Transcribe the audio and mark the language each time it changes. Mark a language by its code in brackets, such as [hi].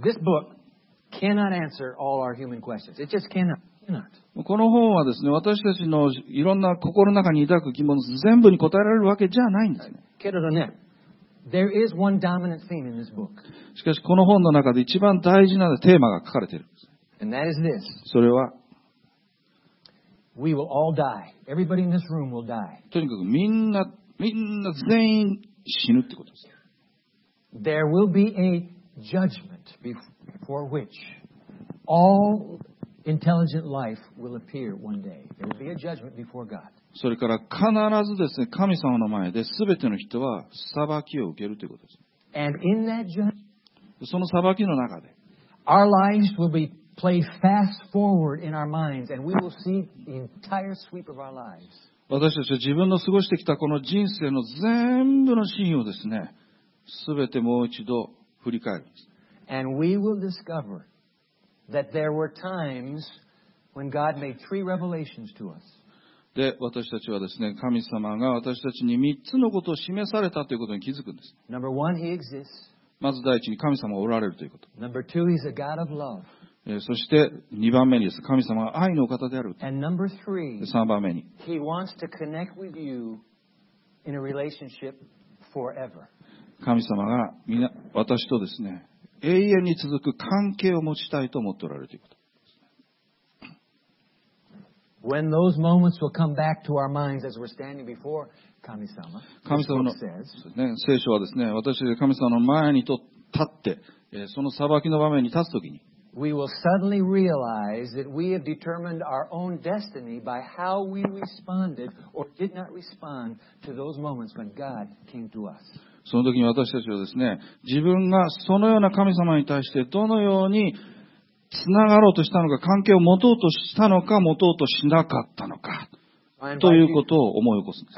[en] this book cannot answer all our human questions. It just cannot. [ja] この本はですね、私たちのいろんな心の中に抱く疑問全部に答えられるわけじゃないんですね。けれどね、 [en] There is one dominant theme in this book. [ja] しかしこの本の中で一番大事なテーマが書かれている。 [en] And that is this. [ja] それは、 [en] We will all die. Everybody in this room will die. [ja] とにかくみんな全員死ぬってことです。 [en] There will be a judgment before which all intelligent life will appear one day. There will be a judgment before God. [ja] それから必ずですね、神様の前で全ての人は裁きを受けるということです。 [en] And in that judgment, [ja] その裁きの中で、 [en] our lives will be played fast forward in our minds, and we will see the entire sweep of our lives. [ja] 私たちは自分の過ごしてきたこの人生の全部のシーンをですね、全てもう一度振り返るんです。 [en] And we will discover that there were times when God made three revelations to us. [ja] で、私たちはですね、神様が私たちに3つのことを示されたということに気づくんです。 [en] Number one, he exists. [ja] まず第一に神様がおられるということ。 [en] Number two, he's a God of love. [ja] そして2番目にです。神様が愛のお方である。 [en] And number three, [ja] で3番目に。 [en] He wants to connect with you in a relationship forever. [ja] 神様が私とですね、永遠に続く関係を持ちたいと思っておられるということ。 [en] When those moments will come back to our minds as we're standing before 神様, [ja] 神様の聖書はですね、私が神様の前に立って、その裁きの場面に立つときに、 [en] we will suddenly realize that we have determined our own destiny by how we responded or did not respond to those moments when God came to us. [ja] その時に私たちはですね、自分がそのような神様に対してどのようにつながろうとしたのか、関係を持とうとしたのか、持とうとしなかったのか、ということを思い起こすんです。